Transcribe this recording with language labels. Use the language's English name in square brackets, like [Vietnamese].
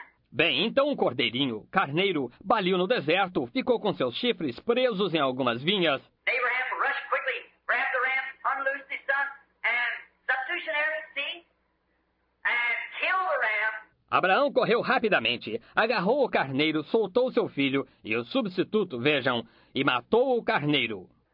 [Portuguese] Bem, então um cordeirinho, carneiro, baliu no deserto, ficou com seus chifres presos em algumas vinhas. [English] Abraham rushed quickly, grabbed the ram, unloosed his son, and substitutionary, see? And killed the ram. [Portuguese] Abraão correu rapidamente, agarrou o carneiro, soltou seu filho e o substituto, vejam, e matou o carneiro.